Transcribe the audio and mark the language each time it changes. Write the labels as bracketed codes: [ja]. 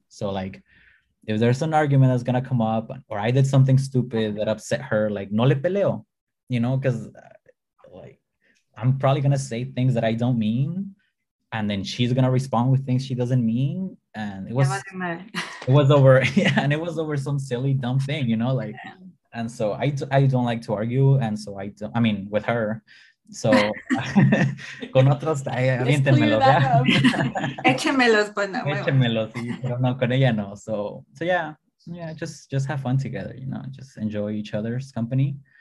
[en] So like, if there's an argument that's going to come up, or I did something stupid that upset her, like, [es] no le peleo, [en] you know, because like, I'm probably going to say things that I don't mean. And then she's going to respond with things she doesn't mean. And it was over some silly, dumb thing, you know, like, yeah. And so I don't like to argue. And so I don't, I mean, with her. So [es] con otros, aviéntenmelos, ¿ya? Échemelos, pues no. Échemelos, sí, pero no, con ella no. [en] So yeah, just have fun together, you know, just enjoy each other's company.